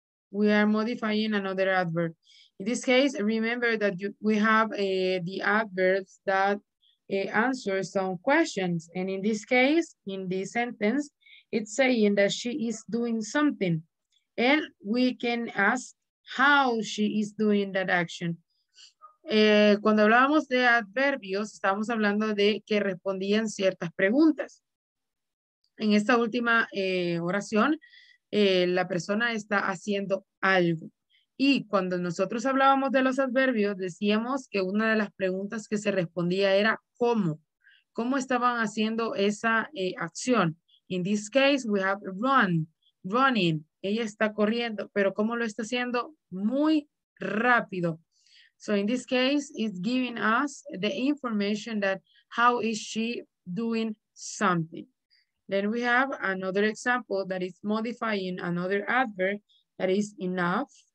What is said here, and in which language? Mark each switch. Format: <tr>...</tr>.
<en>We are modifying another adverb. In this case, remember that we have the adverbs that answer some questions. And in this case, in this sentence, it's saying that she is doing something. And we can ask how she is doing that action.</en> <es>Cuando hablábamos de adverbios, estábamos hablando de que respondían ciertas preguntas. En esta última oración, la persona está haciendo algo. Y cuando nosotros hablábamos de los adverbios, decíamos que una de las preguntas que se respondía era cómo. ¿Cómo estaban haciendo esa acción?</es> <en>In this case, we have run, running.</en> <es>Ella está corriendo, pero ¿cómo lo está haciendo? Muy rápido.</es> <en>So in this case, it's giving us the information that how is she doing something. Then we have another example that is modifying another adverb, that is enough.</en>